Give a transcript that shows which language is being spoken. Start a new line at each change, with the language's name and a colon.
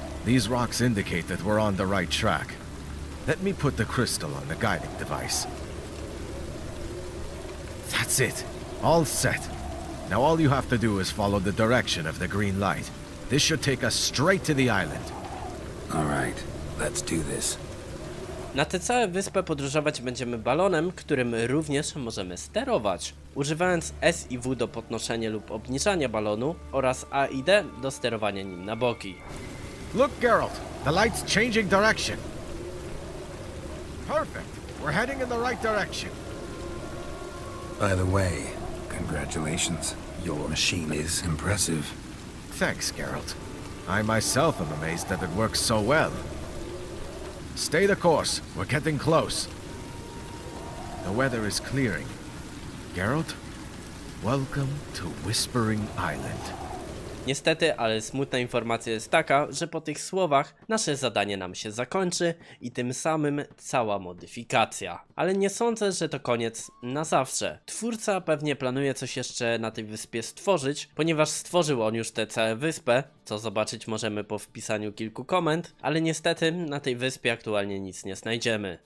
English: These rocks indicate that we're on the right track. Let me put the crystal on the guiding device. That's it. All set. Now all you have to do is follow the direction of the green light. This should take us straight to the island. All right, let's do this.
Polish: Na tę całą wyspę podróżować będziemy balonem, którym również możemy sterować, używając S i W do podnoszenia lub obniżania balonu oraz A i D do sterowania nim na boki.
English: Look, Geralt, the light's changing direction. Perfect. We're heading in the right direction. By the way, congratulations. Your machine is impressive. Thanks, Geralt. I myself am amazed that it works so well. Stay the course. We're getting close. The weather is clearing. Geralt, welcome to Whispering Island.
Polish: Niestety, ale smutna informacja jest taka, że po tych słowach nasze zadanie nam się zakończy i tym samym cała modyfikacja. Ale nie sądzę, że to koniec na zawsze. Twórca pewnie planuje coś jeszcze na tej wyspie stworzyć, ponieważ stworzył on już tę całą wyspę, co zobaczyć możemy po wpisaniu kilku komend, ale niestety na tej wyspie aktualnie nic nie znajdziemy.